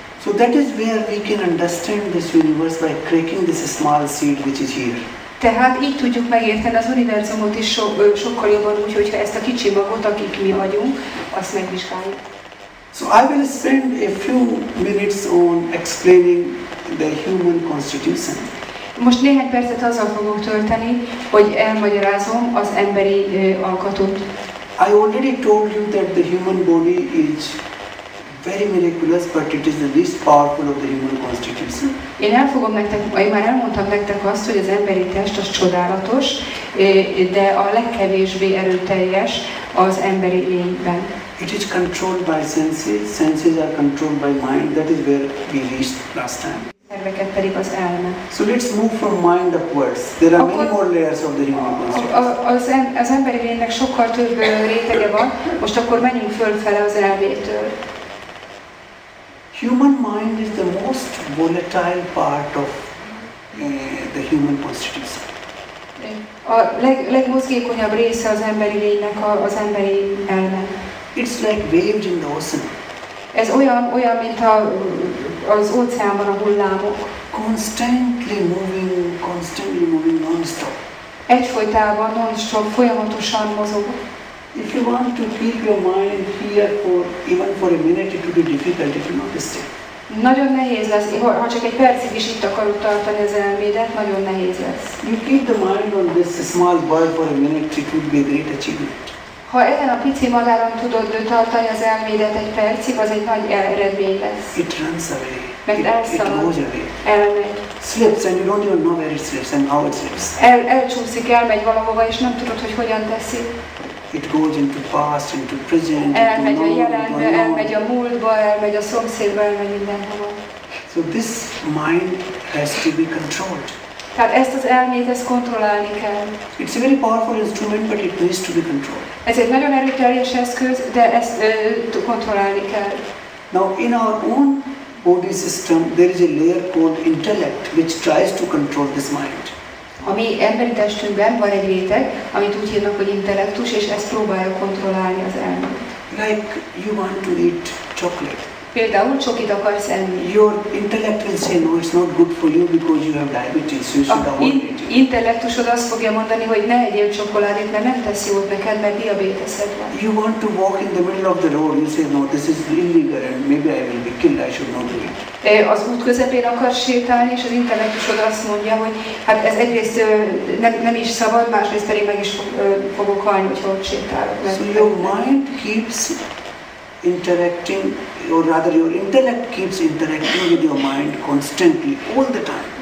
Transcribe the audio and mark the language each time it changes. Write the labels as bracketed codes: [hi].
[en] So that is where we can understand this universe by cracking this small seed which is here. [hu] Tehát így tudjuk megérteni az univerzumot is sokkal jobban, úgyhogyha ezt a kicsi magot, akik mi vagyunk, azt megvizsgáljuk. [en] So I will spend a few minutes on explaining the human constitution. [hu] Most néhány percet azzal fogok tölteni, hogy elmagyarázom az emberi alkatot. [en] I already told you that the human body is very miraculous, but it is the least powerful of the human constitution. [hu] Én már elmondtam nektek azt, hogy az emberi test az csodálatos, de a legkevésbé erőteljes az emberi lényben. [en] It is controlled by senses. Senses are controlled by mind. That is where we reached last time. [hu] Szerveket pedig az elme. [en] So let's move from mind upwards. There are many more layers of the human consciousness. [hu] Az emberi lénynek sokkal több rétege van. Most akkor menjünk fölfele az elmétől. [en] Human mind is the most volatile part of the human constitution. [hu] A legmozgékonyabb része az emberi lénynek az emberi elme. [en] It's like waves in the ocean. [hu] Ez olyan, mint az óceánban a hullámok. [en] Constantly moving, be moving non-stop. [hu] Egyfolytában non-stop, folyamatosan mozog. [en] If you want to keep your mind here for even for a minute, it will be difficult if you notice it. [hu] Nagyon nehéz lesz, ha csak egy percig is itt akarod tartani az elmédet, nagyon nehéz lesz. [en] You keep the mind on this small boy for a minute, it would be a great achievement. [hu] Ha ezen a pici madáron tudod tartani az elmédet egy percig, az egy nagy eredmény lesz. [en] It runs away. [hu] Mert elszalad, elmegy. [en] Slips, and you don't even know where it slips and how it slips. [hu] Elcsúszik, elmegy valahova, és nem tudod, hogy hogyan teszi. [en] It goes into past, into present, [hu] elmegy a jelenbe, elmegy a múltba, elmegy a szomszédba, elmegy mindenhova. [en] So this mind has to be controlled. [hu] Tehát ezt az elmét, ezt kontrollálni kell. [en] It's a very powerful instrument, but it needs to be controlled. [hu] Ez egy nagyon erőteljes eszköz, de ezt kontrollálni kell. [en] Now, in our own body system, there is a layer called intellect, which tries to control this mind. [hu] A mi emberi testünkben van egy réteg, amit úgy hívnak, hogy intellektus, és ezt próbálja kontrollálni az elmét. [en] Like you want to eat chocolate. [hu] Például csokit akarsz enni. [en] Your intellect will say no, it's not good for you because you have diabetes, so you should avoid it. [hu] Intellektusod azt fogja mondani, hogy ne egyél csokoládét, mert nem tesz jót neked, mert diabéteszed van. [en] You want to walk in the middle of the road, you say no, this is illegal and maybe I will be killed, I should not do it. [hu] Az út közepén akarsz sétálni, és az intellektusod azt mondja, hogy hát ez egyrészt nem is szabad, másrészt pedig meg is fogok halni, hogyha ott sétálok. [en] So your mind keeps interacting, or rather your intellect keeps interacting with your mind constantly, all the time.